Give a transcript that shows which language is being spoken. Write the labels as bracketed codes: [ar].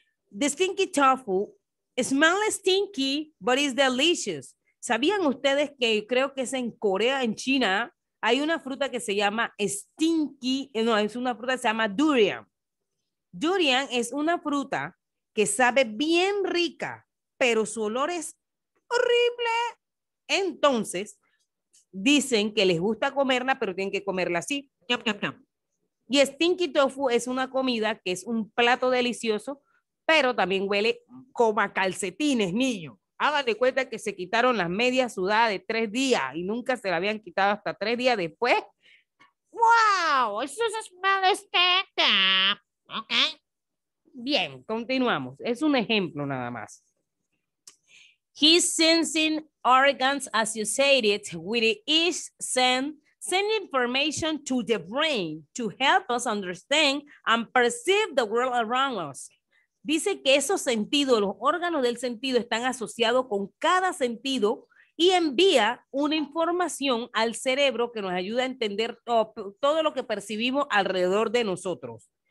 [en] The stinky tofu smells stinky, but it's delicious. [es] ¿Sabían ustedes que creo que es en Corea, en China, hay una fruta que se llama stinky, no, es una fruta que se llama durian. Durian es una fruta que sabe bien rica, pero su olor es horrible. Entonces, dicen que les gusta comerla, pero tienen que comerla así. Y stinky tofu es una comida que es un plato delicioso, pero también huele como a calcetines, niño. Háganle cuenta que se quitaron las medias sudadas de 3 días y nunca se la habían quitado hasta 3 días después. ¡Wow! Eso es malo, estética. Ok. Bien, continuamos. Es un ejemplo nada más. [en] His sensing organs associated with each scent send information to the brain to help us understand and perceive the world around us. [es] Dice que esos sentidos, los órganos del sentido están asociados con cada sentido y envía una información al cerebro que nos ayuda a entender todo lo que percibimos alrededor de nosotros.